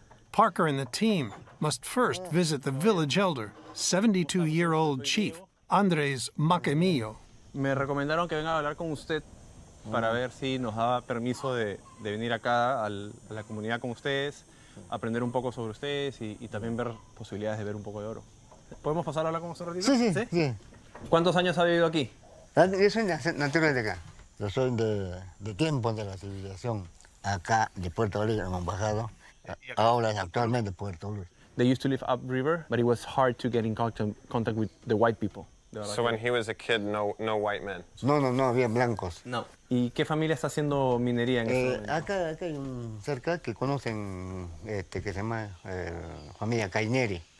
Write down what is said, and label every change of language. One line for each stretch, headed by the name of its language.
English: Parker and the team must first visit the village elder, 72-year-old chief, Andres Maquemillo.
Spanish: Me recomendaron que venga a hablar con usted para ver si nos daba permiso de venir acá a la comunidad con ustedes, aprender un poco sobre ustedes y también ver posibilidades de ver un poco de oro. ¿Podemos pasar a hablar con usted un ratito? Sí, sí, sí. Sí. ¿Cuántos años ha vivido aquí? Yo soy natural de acá. Yo soy de tiempo de la civilización acá, de Puerto Luz, en el embajado. Ahora es actualmente de Puerto Luz.
English: They used to live upriver, but it was hard to get in contact with the white people. So when he was a kid, no white men?
Spanish: No, había blancos. No. ¿Y qué familia está haciendo minería en ese momento? Acá hay un cerca que conocen, que se llama familia Cainieri.